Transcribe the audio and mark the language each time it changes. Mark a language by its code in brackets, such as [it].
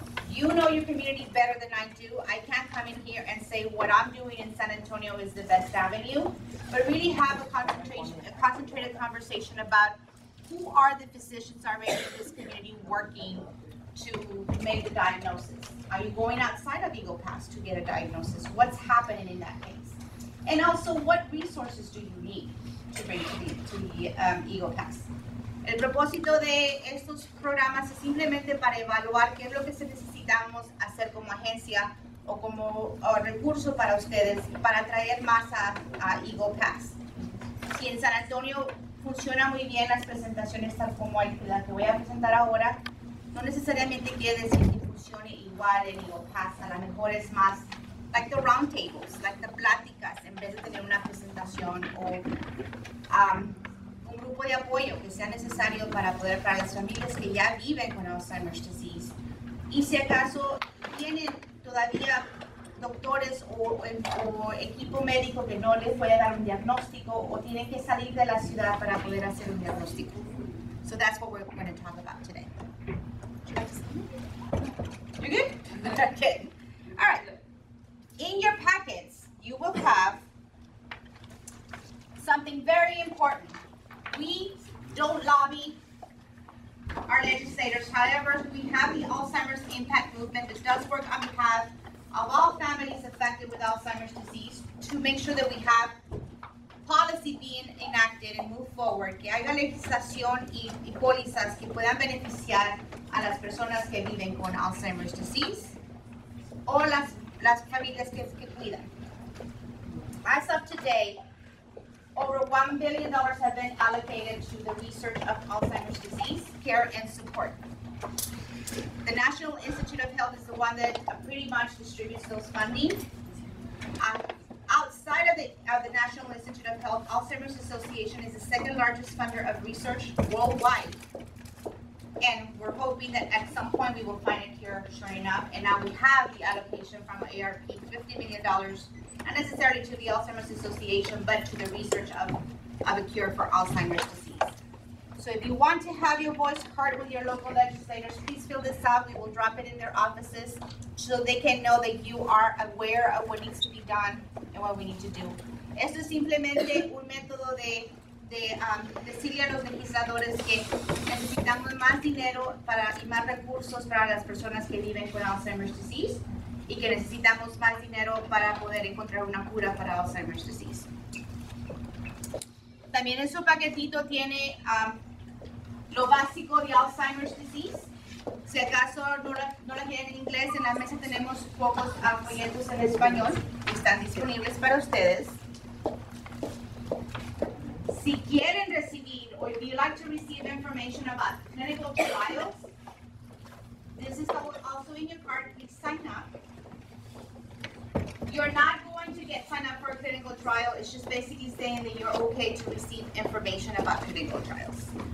[en] You know your community better than I do. I can't come in here and say what I'm doing in San Antonio is the best avenue, but really have a concentrated conversation about who are the physicians already in this community working to make the diagnosis. Are you going outside of Eagle Pass to get a diagnosis? What's happening in that case? And also, what resources do you need to bring to the Eagle Pass? [es] El propósito de estos programas es simplemente para evaluar qué es lo que necesitamos hacer como agencia o como recurso para ustedes para traer más a Eagle Pass. Si en San Antonio funciona muy bien las presentaciones tal como la que voy a presentar ahora, no necesariamente quiere decir que funcione igual en Eagle Pass. A lo mejor es más [en] like the round tables, like the [es] pláticas, en vez de tener una presentación o un grupo de apoyo que sea necesario para poder para las familias que ya viven con Alzheimer's disease. Y si acaso tienen todavía doctores o equipo médico que no les puede dar un diagnóstico o tienen que salir de la ciudad para poder hacer un diagnóstico. [en] So that's what we're going to talk about today. You good? Okay. All right. In your packets, you will have something very important. We don't lobby our legislators. However, we have the Alzheimer's Impact Movement that does work on behalf of all families affected with Alzheimer's disease to make sure that we have policy being enacted and move forward. [es] Que haya legislación y pólizas que puedan beneficiar a las personas que viven con Alzheimer's disease o las familias que cuidan. [en] As of today, over $1 billion have been allocated to the research of Alzheimer's disease, care, and support. The National Institute of Health is the one that pretty much distributes those funding. Outside of the National Institute of Health, Alzheimer's Association is the second largest funder of research worldwide. And we're hoping that at some point we will find a cure, sure enough. And now we have the allocation from AARP, $50 million, not necessarily to the Alzheimer's Association, but to the research of a cure for Alzheimer's disease. So if you want to have your voice heard with your local legislators, please fill this out. We will drop it in their offices so they can know that you are aware of what needs to be done and what we need to do. [es] Esto es simplemente un método de decirle a los legisladores que necesitamos más dinero para, y más recursos para las personas que viven con Alzheimer's disease y que necesitamos más dinero para poder encontrar una cura para Alzheimer's disease. También en su paquetito tiene lo básico de Alzheimer's disease. Si acaso no la quieren en inglés, en la mesa tenemos pocos folletos en español que están disponibles para ustedes. Si quieren recibir, [en] or if you like to receive information about clinical trials, this is also in your card. Please sign up. You're not going to get signed up for a clinical trial. It's just basically saying that you're okay to receive information about clinical trials.